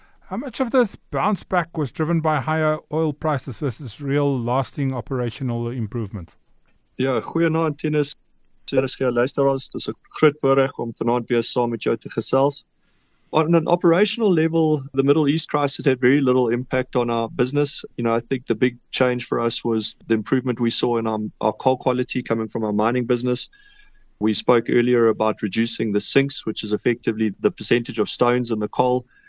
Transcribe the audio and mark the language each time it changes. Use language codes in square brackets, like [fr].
[en] How much of this bounce back was driven by higher oil prices versus real lasting operational improvements? [af] Ja, goeienaand Tinus, RSG luisteraars, dit is 'n groot voorreg om vanaand weer saam met jou te gesels. [en] On an operational level, the Middle East crisis had very little impact on our business. You know, I think the big change for us was the improvement we saw in our coal quality coming from our mining business. We spoke earlier about reducing the sinks, which is effectively the percentage of stones in the coal.